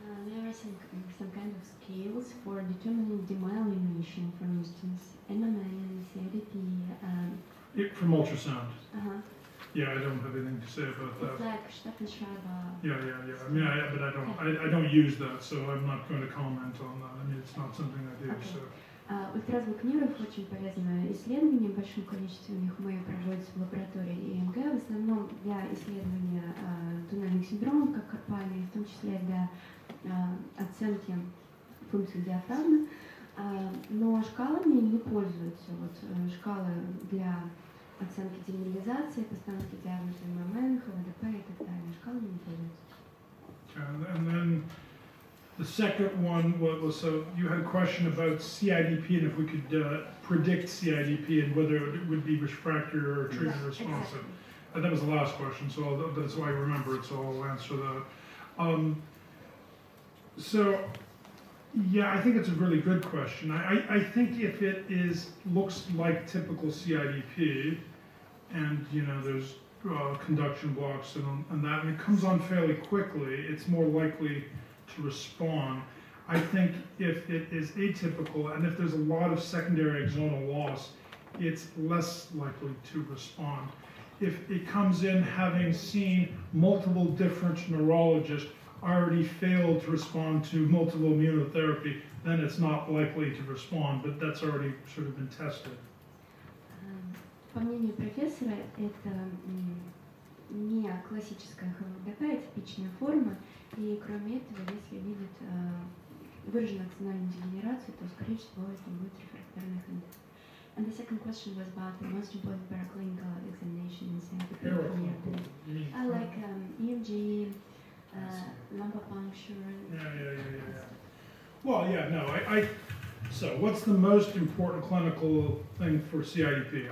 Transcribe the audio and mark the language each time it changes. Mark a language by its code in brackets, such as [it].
[en] There are some kind of scales for determining demyelination, for instance, NMN, CIDP. From ultrasound. Uh-huh. Yeah, I don't have anything to say about that. It's like Steffensschreiber. Yeah, yeah, yeah. I mean, I don't use that, so I'm not going to comment on that. I mean, it's not something I do, okay. So. [ru] Вот раз вот нейров очень полезно исследование, большим количеством их мы проводим в лаборатории ИМГ, в основном для исследования туннельных синдромов, как карпальные, в том числе для оценки функций диафрагмы. Но шкалами не пользуются. Вот шкалы для оценки демиелинизации, постановки диагноза ММН, ХВДП и так далее. Шкалами не пользуются. [en] The second one was, so you had a question about CIDP and if we could predict CIDP and whether it would be refractory or treatment responsive. Exactly. And that was the last question, so that's why I remember it, so I'll answer that. So, yeah, I think it's a really good question. I think if it is looks like typical CIDP and, you know, there's conduction blocks and that, and it comes on fairly quickly, it's more likely to respond. I think if it is atypical and if there's a lot of secondary axonal loss, it's less likely to respond. If it comes in having seen multiple different neurologists already failed to respond to multiple immunotherapy, then it's not likely to respond, but that's already sort of been tested. [ru] По мнению профессора, это не классическая ХВДП, а типичная форма. И кроме этого, если видит выраженную аксональную дегенерацию, то, скорее всего, это будет рефрактерный хондит. [en] And the second question was about the most important paraclinical examination in CIDP. Like EMG, lumbar puncture. Yeah. Well, yeah, no, so what's the most important clinical thing for CIDP?